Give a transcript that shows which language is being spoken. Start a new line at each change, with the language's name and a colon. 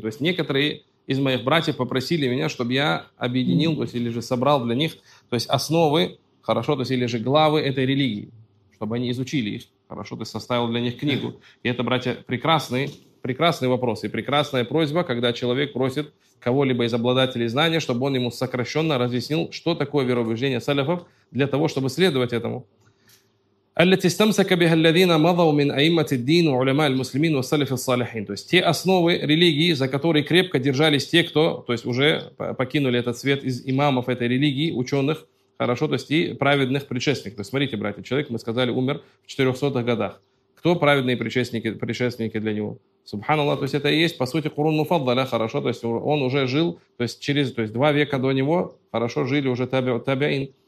Russian: То есть некоторые из моих братьев попросили меня, чтобы я объединил, то есть или же собрал для них, то есть основы, хорошо, то есть или же главы этой религии, чтобы они изучили их, хорошо, то есть составил для них книгу. И это, братья, прекрасный вопрос и прекрасная просьба, когда человек просит кого-либо из обладателей знания, чтобы он ему сокращенно разъяснил, что такое вероубеждение саляфов, для того, чтобы следовать этому.
Arabic: التي استمسك بها الذين مضوا من أئمة الدين وعلماء المسلمين والسلف الصالحين.
Russian: То есть те основы религии, за которые крепко держались те, кто, то есть уже покинули этот свет из имамов этой религии, ученых, хорошо, то есть и праведных предшественников. То есть смотрите, братья, человек, мы сказали, умер в 400-х годах. Кто праведные предшественники для него? Субханаллах, то есть это и есть, по сути, Курун Муфаддаля, хорошо, то есть он уже жил, то есть через, то есть два века до него, хорошо, жили уже табиин.